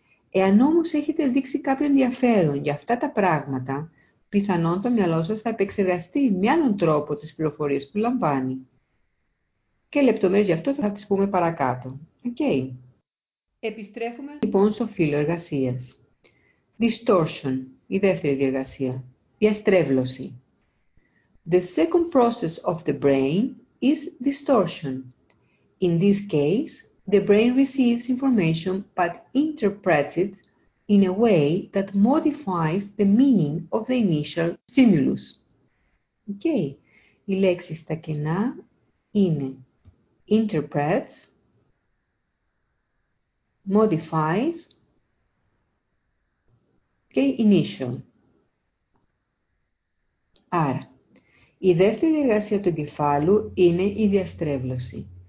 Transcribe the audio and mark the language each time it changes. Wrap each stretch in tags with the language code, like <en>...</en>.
<el>Εάν όμως έχετε δείξει κάποιο ενδιαφέρον για αυτά τα πράγματα, πιθανόν το μυαλό σας θα επεξεργαστεί με άλλον τρόπο τις πληροφορίες που λαμβάνει. Και λεπτομέρειες γι' αυτό θα τις πούμε παρακάτω. Okay. Επιστρέφουμε λοιπόν στο φύλλο εργασίας. Distortion, η δεύτερη διεργασία. Διαστρέβλωση.</el> <en>The second process of the brain is distortion. In this case, the brain receives information but interprets it in a way that modifies the meaning of the initial stimulus. Okay.</en> <el>Οι λέξεις τα κενά είναι</el> <en>interprets, modifies</en> <el>και</el> <en>initial.</en> <el>Άρα, η δεύτερη διεργασία του εγκεφάλου είναι η διαστρέβλωση.</el>